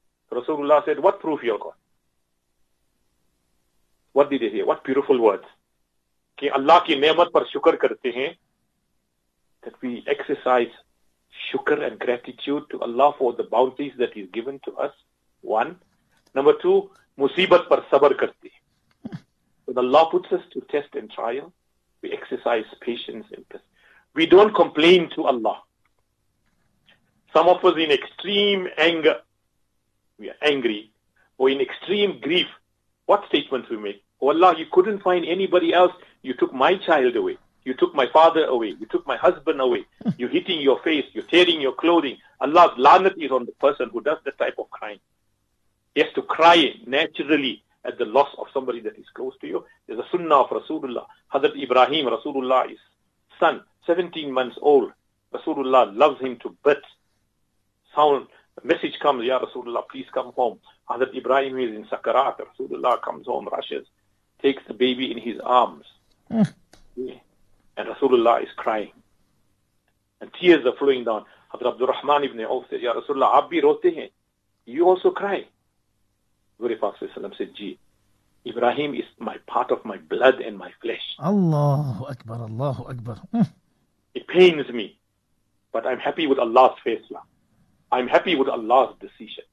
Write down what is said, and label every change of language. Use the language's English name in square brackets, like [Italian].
[English] Rasulullah said, what proof you got? What did they hear? What beautiful words. [Urdu] Ki Allah ki ne'mat par shukar karte hain, [English] that we exercise shukr and gratitude to Allah for the bounties that He's given to us. One. Number two, [Urdu] مصیبت پر صبر کرتے ہیں۔ [English] When Allah puts us to test and trial, we exercise patience and peace. We don't complain to Allah. Some of us in extreme anger, we are angry, or in extreme grief, what statements we make? Oh Allah, you couldn't find anybody else. You took my child away. You took my father away. You took my husband away. You're hitting your face. You're tearing your clothing. Allah's lanat is on the person who does that type of crying. He has to cry naturally at the loss of somebody that is close to you. There's a sunnah of Rasulullah. Hazrat Ibrahim, Rasulullah's son, 17 months old. Rasulullah loves him to bits. Sound, a message comes, ya Rasulullah, please come home. Hazrat Ibrahim is in Sakarat. Rasulullah comes home, rushes, takes the baby in his arms. And Rasulullah is crying. And tears are flowing down. [Urdu] حضرت عبدالرحمن ابن عوف [English] said, [Urdu] یا رسول اللہ، آپ بھی روتے ہیں۔ [English] You also cry. Guru Prophet said, ji, Ibrahim is my part of my blood and my flesh. Allahu Akbar, Allahu Akbar. It pains me. But I'm happy with Allah's faisla. I'm happy with Allah's decision.